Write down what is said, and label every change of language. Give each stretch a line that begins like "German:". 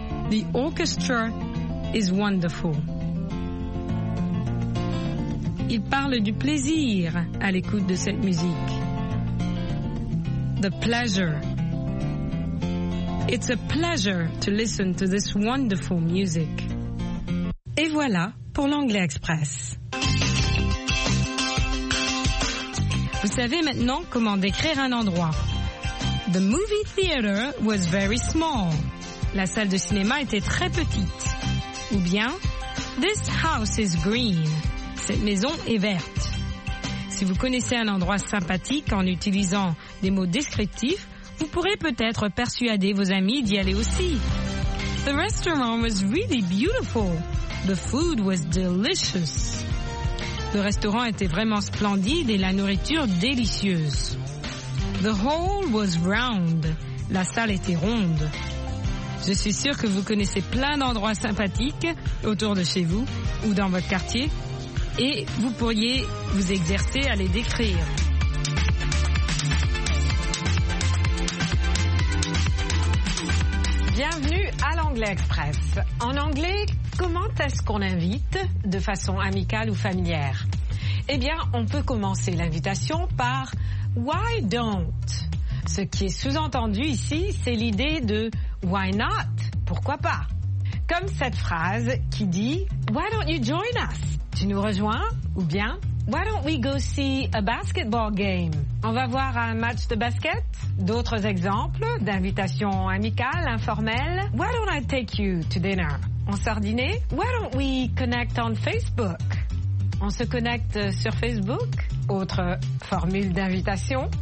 English: The orchestra is wonderful.
French: Il parle du plaisir à l'écoute de cette musique.
English: The pleasure. It's a pleasure to listen to this wonderful music.
French: Et voilà pour l'anglais express. Vous savez maintenant comment décrire un endroit.
English: The movie theater was very small.
French: La salle de cinéma était très petite. Ou bien,
English: this house is green.
French: Cette maison est verte. Si vous connaissez un endroit sympathique en utilisant des mots descriptifs, vous pourrez peut-être persuader vos amis d'y aller aussi.
English: The restaurant was really beautiful. The food was delicious.
French: Le restaurant était vraiment splendide et la nourriture délicieuse.
English: The hall was round.
French: La salle était ronde. Je suis sûre que vous connaissez plein d'endroits sympathiques autour de chez vous ou dans votre quartier. Et vous pourriez vous exercer à les décrire. Bienvenue à l'Anglais Express. En anglais, comment est-ce qu'on invite de façon amicale ou familière? Eh bien, on peut commencer l'invitation par «
English: why don't ?»
French: Ce qui est sous-entendu ici, c'est l'idée de «
English: why not
French: ?» Pourquoi pas? Comme cette phrase qui dit «
English: why don't you join us ?»
French: Tu nous rejoins? Ou bien,
English: why don't we go see a basketball game?
French: On va voir un match de basket? D'autres exemples d'invitations amicales, informelles?
English: Why don't I take you to dinner?
French: On sort dîner?
English: Why don't we connect on Facebook?
French: On se connecte sur Facebook? Autre formule d'invitation?